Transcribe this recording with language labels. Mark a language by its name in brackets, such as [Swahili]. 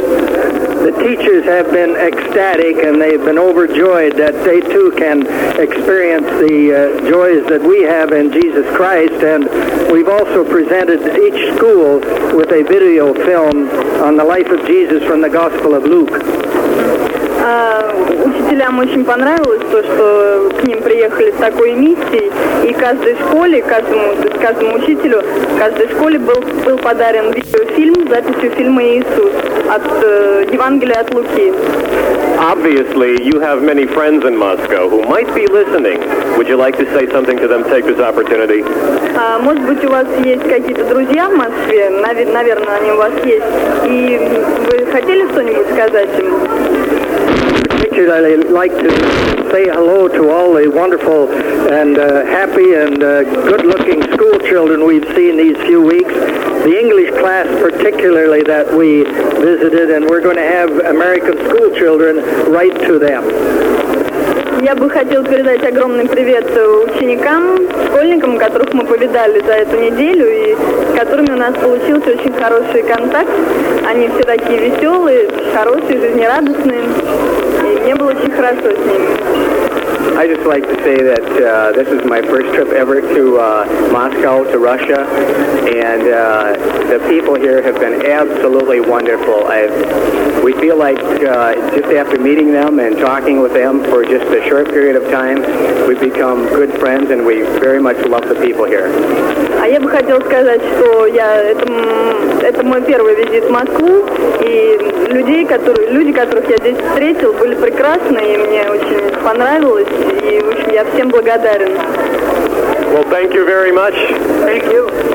[English] The teachers have been ecstatic and they've been overjoyed that they too can experience the joys that we have in Jesus Christ. And we've also presented each school with a video film on the life of Jesus from the Gospel of Luke. [Russian] Учителям очень понравилось то, что к ним приехали с такой миссией, и каждой школе, каждому учителю, каждой школе был подарен видеофильм с записью фильма «Иисус» от Евангелия от Луки. [English] Obviously, you have many friends in Moscow who might be listening. Would you like to say something to them, take this opportunity? [Russian] Может быть, у вас есть какие-то друзья в Москве? Наверное, они у вас есть. И вы хотели что-нибудь сказать им? [English] I'd like to say hello to all the wonderful and happy and good-looking school children we've seen these few weeks. The English class particularly that we visited, and we're going to have American school children write to them. [Russian] Я бы хотел передать огромный привет ученикам, школьникам, которых мы повидали за эту неделю и с которыми у нас получился очень хороший контакт. Они все такие веселые, хорошие, жизнерадостные. И мне было очень хорошо с ними. [English] I just like to say that this is my first trip ever to Moscow, to Russia, and the people here have been absolutely wonderful. We feel like just after meeting them and talking with them for just a short period of time, we've become good friends and we very much love the people here. [Russian] А я бы хотела сказать, что это мой первый визит в Москву, и люди, которых я здесь встретил, были прекрасны, и мне очень понравилось. И, в общем, я всем благодарен. [English] Well, thank you very much. Thank you.